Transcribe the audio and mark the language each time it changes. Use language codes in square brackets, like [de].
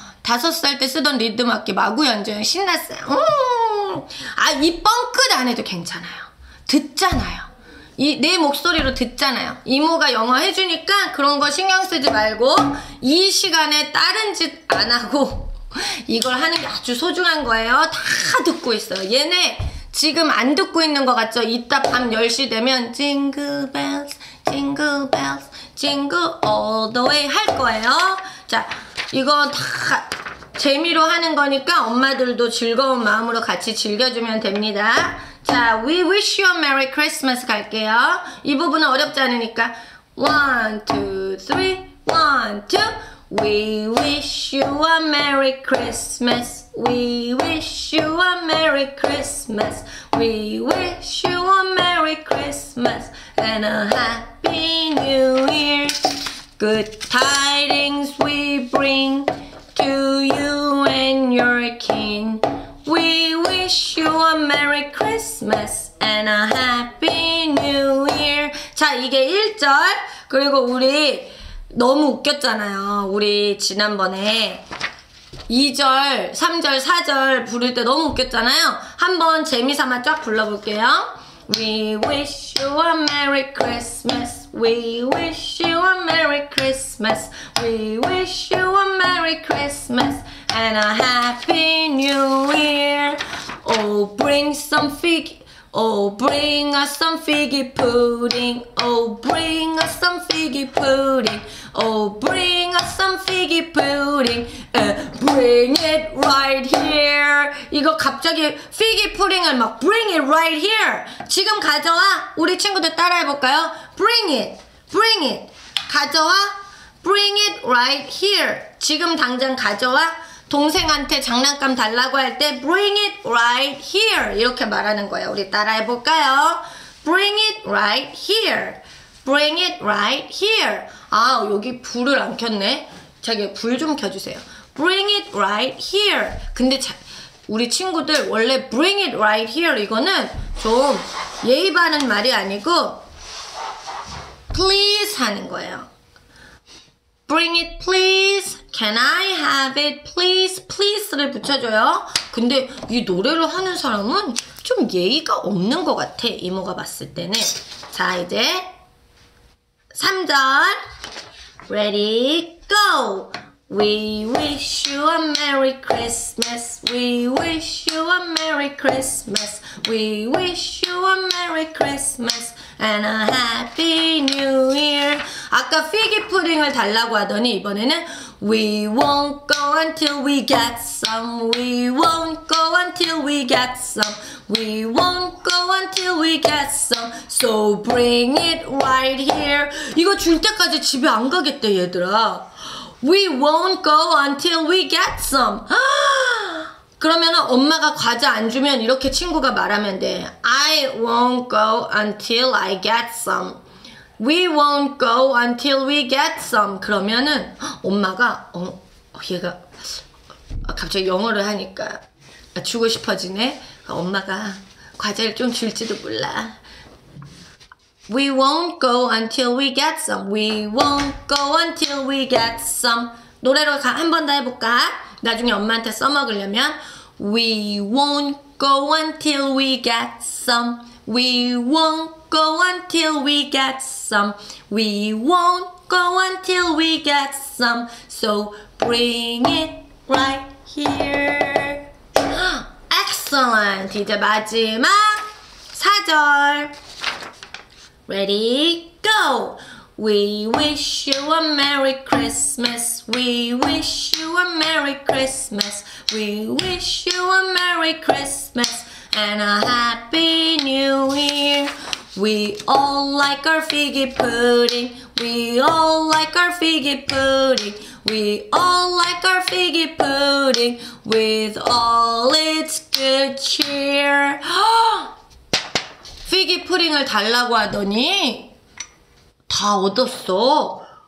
[ko] 5살 때 쓰던 리듬 악기 마구 연주해요. 신났어요. 아, 이 뻥끗 안 해도 괜찮아요. 듣잖아요. 이 내 목소리로 듣잖아요. 이모가 영어 해주니까 그런 거 신경 쓰지 말고 이 시간에 다른 짓 안 하고 이걸 하는 게 아주 소중한 거예요. 다 듣고 있어요. 얘네 지금 안 듣고 있는 것 같죠? 이따 밤 10시 되면 [en] Jingle bells, jingle bells, jingle all the way [ko] 할 거예요. [en] 자, 이거 다 재미로 하는 거니까 엄마들도 즐거운 마음으로 같이 즐겨주면 됩니다. [ko] 자, [en] We wish you a Merry Christmas [ko] 갈게요. 이 부분은 어렵지 않으니까 [en] One, two, three, one, two. We wish you a Merry Christmas. We wish you a Merry Christmas. We wish you a Merry Christmas and a Happy New Year. Good tidings we bring to you and your kin. We wish you a Merry Christmas and a Happy New Year. [ko] 자, 이게 1절. 그리고 우리 너무 웃겼잖아요. 우리 지난번에 2절, 3절, 4절 부를 때 너무 웃겼잖아요. 한번 재미삼아 쫙 불러볼게요. [en] We wish you a Merry Christmas. We wish you a Merry Christmas. We wish you a Merry Christmas. And a Happy New Year. Oh, bring some fig. Oh, bring us some figgy pudding. Oh, bring us some figgy pudding. Oh, bring us some figgy pudding. Bring it right here. [ko] 이거 갑자기 [en] figgy pudding을 [ko] 막 [en] bring it right here. [ko] 지금 가져와. 우리 친구들 따라해볼까요? [en] Bring it. Bring it. [ko] 가져와. [en] Bring it right here. [ko] 지금 당장 가져와. 동생한테 장난감 달라고 할 때 [en] Bring it right here [ko] 이렇게 말하는 거예요. 우리 따라해 볼까요? [en] Bring it right here. Bring it right here. [ko] 아, 여기 불을 안 켰네. 자기야 불 좀 켜주세요. [en] Bring it right here. [ko] 근데 자, 우리 친구들 원래 [en] bring it right here [ko] 이거는 좀 예의 바른 말이 아니고 please 하는 거예요. [en] Bring it please. Can I have it please? [ko] Please를 붙여줘요. 근데 이 노래를 하는 사람은 좀 예의가 없는 것 같아. 이모가 봤을 때는. 자 이제 3절 [en] Ready go. We wish you a Merry Christmas. We wish you a Merry Christmas. We wish you a Merry Christmas and a Happy New Year. [ko] 아까 피기 푸딩을 달라고 하더니 이번에는 [en] We won't go until we get some. We won't go until we get some. We won't go until we get some. So bring it right here. [ko] 이거 줄 때까지 집에 안 가겠대 얘들아. [en] We won't go until we get some. [ko] 그러면 엄마가 과자 안 주면 이렇게 친구가 말하면 돼. [en] I won't go until I get some. We won't go until we get some. [ko] 그러면은 엄마가 얘가 갑자기 영어를 하니까 주고 싶어지네. 엄마가 과자를 좀 줄지도 몰라. [en] We won't go until we get some. We won't go until we get some. [ko] 노래로 한 번 더 해볼까? 나중에 엄마한테 써먹으려면 [en] We won't go until we get some. We won't go until we get some. We won't go until we get some. So bring it right here. Excellent. [ko] 이제 마지막 4절. [en] Ready, go! We wish you a Merry Christmas. We wish you a Merry Christmas. We wish you a Merry Christmas and a Happy New Year. We all like our figgy pudding. We all like our figgy pudding. We all like our figgy pudding with all its good cheer. [ko] 피기 푸딩을 달라고 하더니 다 얻었어.